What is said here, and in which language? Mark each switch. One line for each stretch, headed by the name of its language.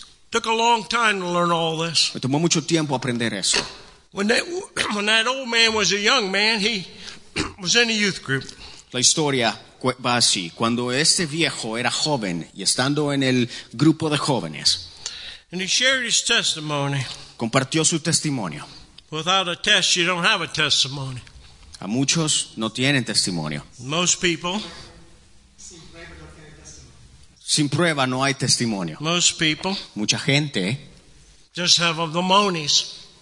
English: Took a long time to learn all this.
Spanish: Me tomó mucho tiempo aprender eso.
English: When that old man was a young man, he was in a youth group.
Spanish: La historia va así. Cuando este viejo era joven y estando en el grupo de jóvenes.
English: And he shared his testimony.
Spanish: Compartió su testimonio.
English: Without a test, you don't have a testimony.
Spanish: A muchos no tienen testimonio.
English: Most people.
Spanish: Sin prueba no hay testimonio.
English: Most people.
Spanish: Mucha gente.
English: Just have a limonies.